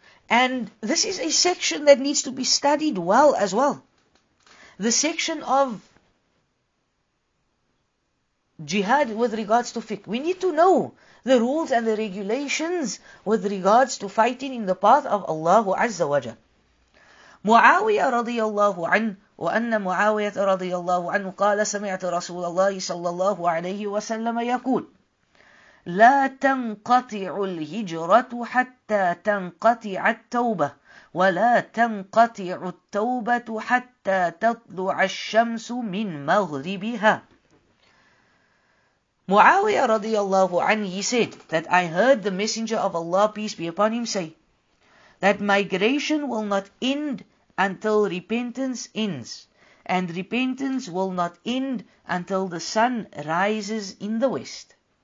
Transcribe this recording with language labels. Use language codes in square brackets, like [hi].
[en] And this is a section that needs to be studied well as well. The section of jihad with regards to fiqh. We need to know the rules and the regulations with regards to fighting in the path of Allah Azza wa Jalla. [ar] معاوية رضي الله عنه وأن معاوية رضي الله عنه قال سمعت رسول الله صلى الله عليه وسلم يقول لا تنقطع الهجرة حتى تنقطع التوبة ولا تنقطع التوبة حتى تطلع الشمس من مغربها. [en] معاوية [ar] رضي الله عنه, [en] he said that I heard the messenger of Allah, peace be upon him, say that migration will not end until repentance ends, and repentance will not end until the sun rises in the west.